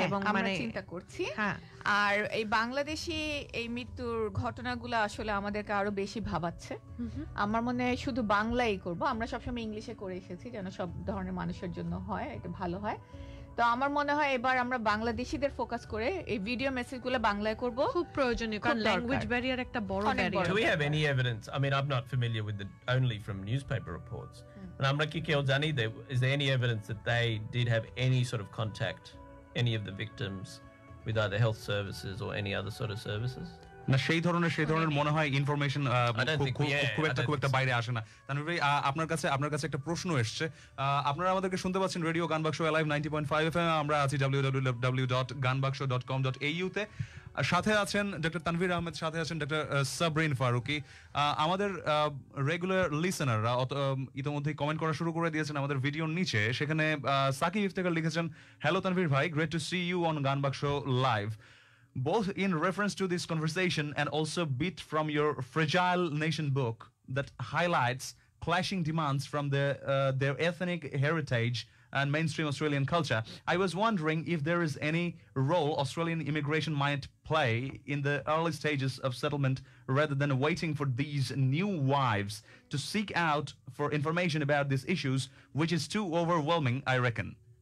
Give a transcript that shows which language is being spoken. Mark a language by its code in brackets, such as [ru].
[bn] এবং মানে চিন্তা করছি আর এই বাংলাদেশি এই মৃত্যুর ঘটনাগুলো আসলে আমাদেরকে আরো বেশি ভাবাচ্ছে আমার মনে হয় শুধু বাংলায় করবো আমরা সবসময় ইংলিশে করে এসেছি যেন সব ধরনের মানুষের জন্য হয় এটা ভালো হয় তো আমার মনে হয় এবার আমরা বাংলাদেশিদের ফোকাস করে এই ভিডিও মেসেজগুলো বাংলায় করব খুব প্রয়োজনীয় কারণ ল্যাঙ্গুয়েজ ব্যারিয়ার একটা বড় barrier [en] Do we have any evidence I mean I'm not familiar with the only from newspaper reports and [bn] আমরা কি কেউ জানি [en] is there any evidence that they did have any sort of contact any of the victims with either health services or any other sort of services [bn] না সেই ধরনের মনে হয় information খুব একটা বাইরে আসে না তানভীর ভাই আপনার কাছে একটা প্রশ্ন এসেছে আপনারা আমাদেরকে শুনতে পাচ্ছেন রেডিও গানবাক্স অ্যালাইভ 90.5 FM আমরা আছি www.ganbakso.com.au তে সাথে আছেন ডক্টর তানভীর আহমেদ সাথে আছেন ডক্টর সাবরিন ফারুকী আমাদের রেগুলার লিসেনাররা ইতিমধ্যেই কমেন্ট করা শুরু করে দিয়েছেন আমাদের ভিডিওর নিচে সেখানে সাকিব ইফতেকার লিখেছেন [en] Hello Tanvir ভাই great to see you on Gaanbox live Both in reference to this conversation and also bit from your Fragile Nation book that highlights clashing demands from their ethnic heritage and mainstream Australian culture. I was wondering if there is any role Australian immigration might play in the early stages of settlement rather than waiting for these new wives to seek out for information about these issues, which is too overwhelming, I reckon.